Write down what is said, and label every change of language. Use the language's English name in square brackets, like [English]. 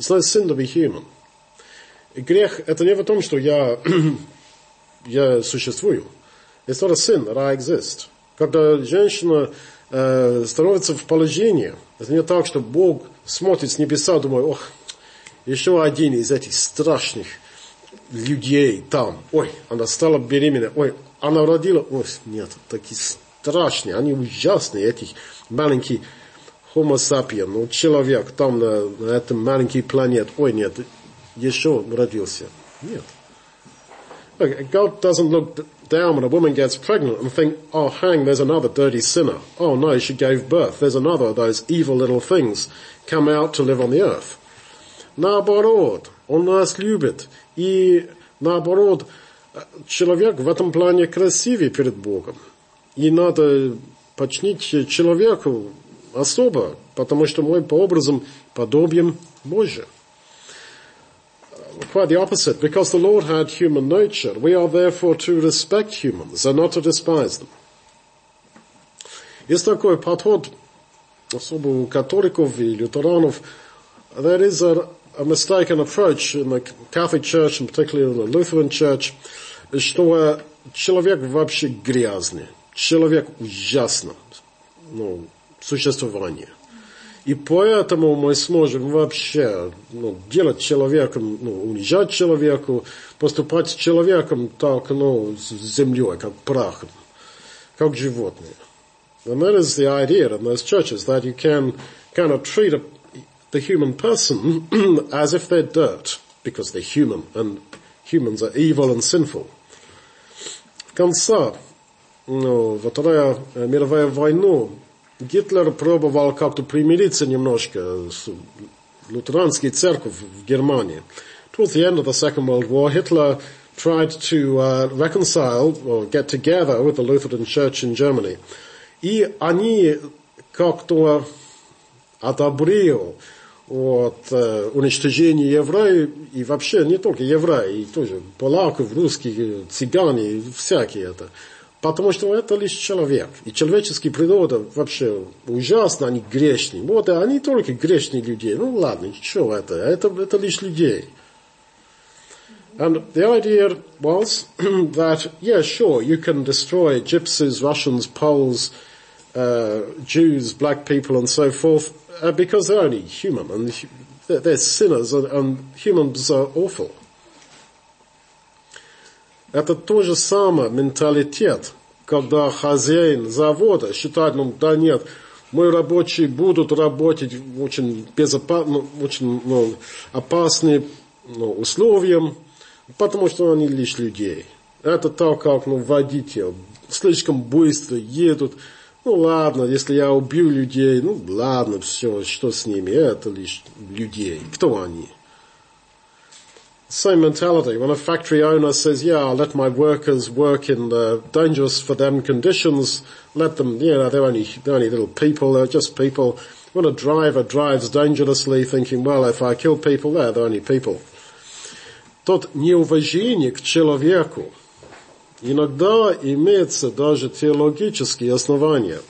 [English] It's no sin to be human. [Russian] И грех – это не в том, что я существую. [English] It's not a sin that I exist. [Russian] Когда женщина становится в положении, это не так, что Бог смотрит с небеса, думает, ох, еще один из этих страшных людей там. Ой, она стала беременна. Ой, она родила. Ой, нет, такие страшные. Они ужасные, эти маленькие homo sapiens. Ну, человек там на этом маленькой планете. Ой, нет, еще родился. Нет. [English] Okay, God doesn't look down when a woman gets pregnant and think, oh, hang, there's another dirty sinner. Oh, no, she gave birth. There's another of those evil little things come out to live on the earth. [Russian] Наоборот, он нас любит. И наоборот, человек в этом плане красивее перед Богом. И надо почтить человеку особо, потому что мы по образу подобием Божьим. [English] Quite the opposite. Because the Lord had human nature, we are therefore to respect humans and not to despise them. [Russian] Есть такой подход, особо у католиков и лютеранов. [English] There is a mistaken approach in the Catholic Church, and particularly in the Lutheran Church, [Russian] что человек вообще грязный. Человек ужасно, ну, существование. И поэтому мы сможем вообще, ну, делать человеком, ну, унижать человеку, поступать с человеком так, ну, с землей, как прахом, как животное. [English] And that is the idea in those churches, that you can kind of treat the human person as if they're dirt, because they're human, and humans are evil and sinful. [Russian] В конце, ну, во Вторая мировая война, Гитлер пробовал как-то примириться немножко с лютеранской церковью в Германии. [English] Towards the end of the Second World War, Hitler tried to reconcile or get together with the Lutheran Church in Germany. [Russian] И они как-то одобрили вот, уничтожение евреев, и вообще не только евреев, и тоже поляков, русских, цыгане, всякие это. Потому что это лишь человек. И человеческая природа вообще ужасна, они грешные. Вот, они только грешные люди. Ну ладно, что это лишь людей. [English] And the idea was that, yeah, sure, you can destroy gypsies, Russians, Poles, Jews, black people and so forth, because they're only human, and they're sinners, and humans are awful. [Russian] Это то же самое менталитет, когда хозяин завода считает, ну да нет, мои рабочие будут работать в очень безопасном, очень, ну, опасным, ну, условиям, потому что они лишь людей. Это так, как, ну, водитель слишком быстро едут. Ну ладно, если я убью людей, ну ладно, все, что с ними, это лишь людей. Кто они? [English] Same mentality. When a factory owner says, yeah, I'll let my workers work in the dangerous for them conditions, let them, you know, they're only little people, they're just people. When a driver drives dangerously, thinking, well, if I kill people, they're only people. [Russian] Тот неуважение к человеку иногда имеется даже теологические основания.